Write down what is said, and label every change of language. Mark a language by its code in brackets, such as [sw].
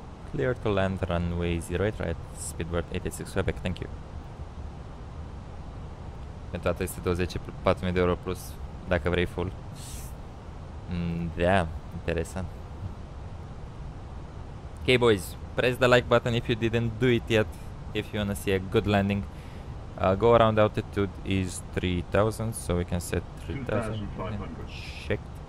[en] clear to land runway 08 right, speedbird 86 Quebec, thank you. [ro] Pentru atât este 24.000 de euro plus, dacă vrei full. Da, interesant. [en] Ok boys, press the like button if you didn't do it yet, if you wanna see a good landing. Go around altitude is 3000, so we can set 3000. Check.